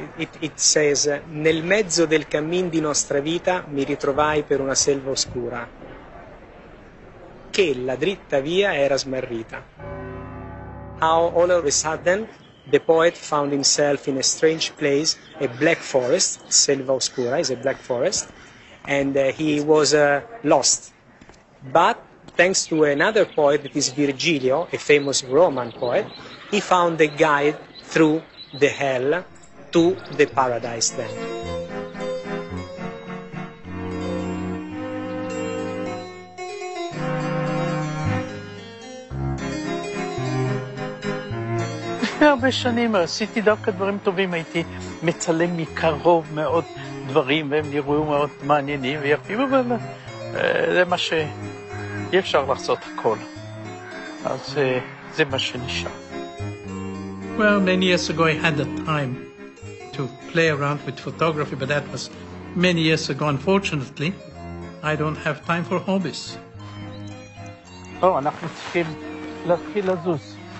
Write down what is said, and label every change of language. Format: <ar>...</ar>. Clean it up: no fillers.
<en>It says,</en> <it>nel mezzo del cammin di nostra vita mi ritrovai per una selva oscura, che la dritta via era smarrita.</it> <en>How all of a sudden the poet found himself in a strange place, a black forest,</en> <it>selva oscura</it> <en>is a black forest, and he was lost. But thanks to another poet, that is Virgilio, a famous Roman poet, he found a guide through the hell to the paradise then.</en> <he>הרבה שנים עשיתי דווקא דברים טובים, הייתי מצלם מקרוב מאוד דברים והם נראו מאוד מעניינים ויפים, אבל זה מה ש... אי אפשר לעשות הכל. אז זה מה שנשאר.</he> <en>Well, many years ago I had the time to play around with photography, but that was many years ago. Unfortunately, I don't have time for hobbies.</en> <he>טוב, אנחנו צריכים להתחיל לזוז.</he>